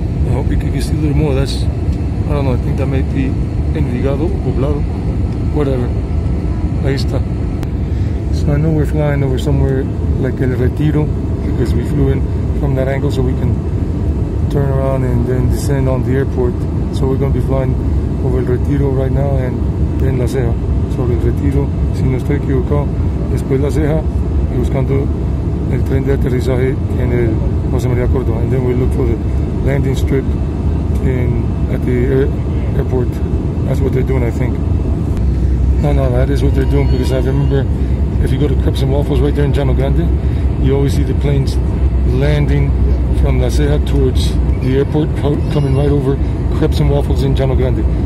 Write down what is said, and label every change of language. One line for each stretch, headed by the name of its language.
English: I hope you can see a little more. That's, I don't know, I think that may be Envigado, Poblado, whatever.
Spanish: Ahí está.
English: So I know we're flying over somewhere like El Retiro, because we flew in from that angle so we can turn around and then descend on the airport. So we're going to be flying over El Retiro right now and then La Ceja.
Spanish: Sobre El Retiro, si no estoy equivocado, después La Ceja, buscando el tren de aterrizaje en el José María Córdoba.
English: And then we'll look for the landing strip at the airport. That's what they're doing, I think. No, that is what they're doing, because I remember if you go to Crepes and Waffles right there in Llano Grande, you always see the planes landing from La Ceja towards the airport, coming right over Crepes and Waffles in Llano Grande.